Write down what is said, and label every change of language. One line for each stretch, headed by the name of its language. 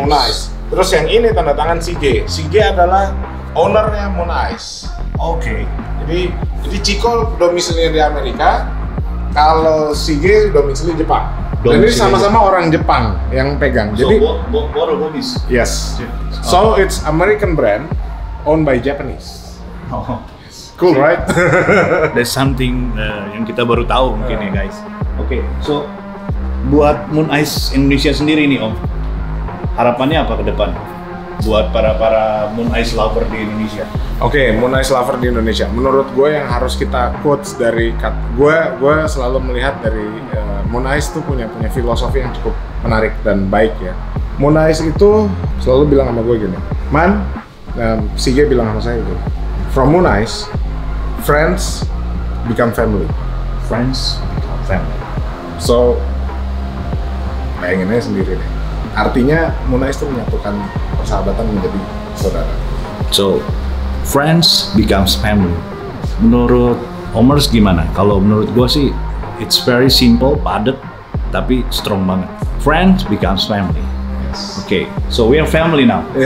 Indonesian: Moon Ice. Terus yang ini tanda tangan Sige. Sige adalah ownernya Moon Ice. Oke. Okay. Jadi Chico domisilinya di Amerika, kalau Sige domisili Jepang. Dan ini sama-sama orang Jepang yang pegang.
English: So,
Indonesian: jadi Boromis.
English: Yes. So it's American brand owned by Japanese. Oh. Cool, so, right?
Indonesian: There's something yang kita baru tahu mungkin ya guys. Oke, okay, so buat Moon Ice Indonesia sendiri nih Om, harapannya apa ke depan buat para Moon Ice lover di Indonesia? Oke, okay, Moon Ice lover di Indonesia. Menurut gue yang harus kita quotes dari gue selalu melihat dari Moon Ice tuh punya filosofi yang cukup menarik dan baik ya. Moon Ice itu selalu bilang sama gue gini, man, si Jay bilang sama saya gitu.
English: From Moon Ice, friends become family. Friends become family.
Indonesian: So, bayanginnya sendiri deh. Artinya Moon Ice itu menyatukan persahabatan menjadi saudara.
English: So, friends becomes family.
Indonesian: Menurut Omers gimana? Kalau menurut gua sih,
English: it's very simple,
Indonesian: padat, tapi strong banget.
English: Friends becomes family. Yes. Okay, so we are family now.